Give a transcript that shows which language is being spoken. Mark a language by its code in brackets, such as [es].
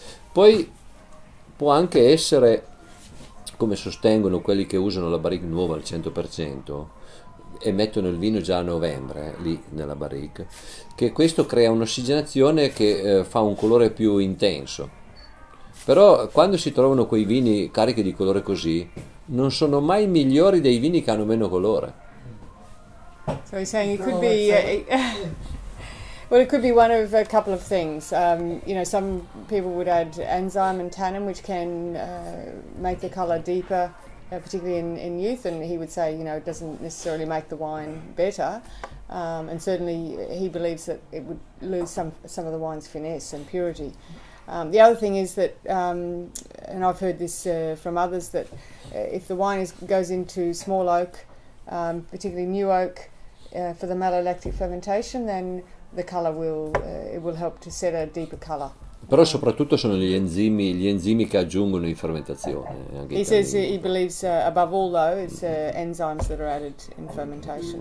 [it] Poi può anche essere, come sostengono quelli che usano la barrique nuova al 100% e mettono il vino già a novembre lì nella barrique, che questo crea un'ossigenazione che fa un colore più intenso. Però quando si trovano quei vini carichi di colore così, non sono mai migliori dei vini che hanno meno colore. [en] So he's saying it could be well, it could be one of a couple of things. You know, some people would add enzyme and tannin, which can make the color deeper, particularly in youth. And he would say, you know, it doesn't necessarily make the wine better. And certainly, he believes that it would lose some of the wine's finesse and purity. The other thing is that, and I've heard this from others, that if the wine goes into small oak, particularly new oak, for the malolactic fermentation, then the colour will help to set a deeper colour. [it] Però soprattutto sono gli enzimi che aggiungono in fermentazione. [en] He says he believes above all though it's enzymes that are added in fermentation.